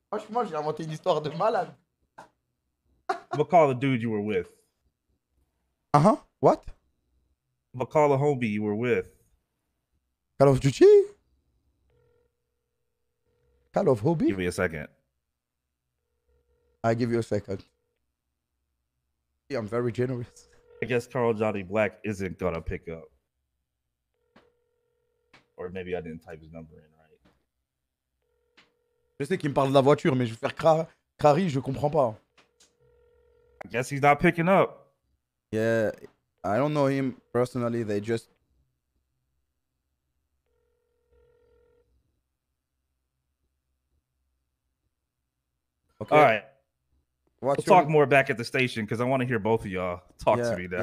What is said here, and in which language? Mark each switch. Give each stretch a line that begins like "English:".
French: Franchement, j'ai inventé une histoire de malade.
English: McCall, the dude you were with. Uh-huh. What? McCall, the homie you were with. Call of Duty? Call of Hobie? Give me a second. I give you a second. Yeah, I'm very generous. I guess Carl Johnny Black isn't gonna pick up. Or maybe I didn't type his number in right.
French: Je sais qu'il me parle de la voiture, mais je vais faire crari, je comprends pas.
English: I guess he's not picking up. Yeah, I don't know him personally, they just... Okay. All right. What's we'll your... talk more back at the station because I want to hear both of y'all talk to me there.